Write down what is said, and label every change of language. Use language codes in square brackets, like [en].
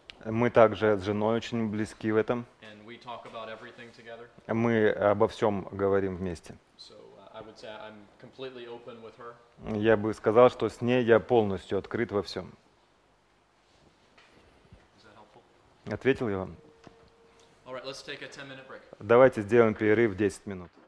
[ru] Мы также с женой очень близки в этом. [en] And we talk about everything together. [ru] Мы обо всем говорим вместе. [en] I would say I'm completely open with her. [ru] Я бы сказал, что с ней я полностью открыт во всем. [en] Is that helpful? [ru] Ответил я вам? [en] All right, let's take a 10-minute break. [ru] Давайте сделаем перерыв 10 минут.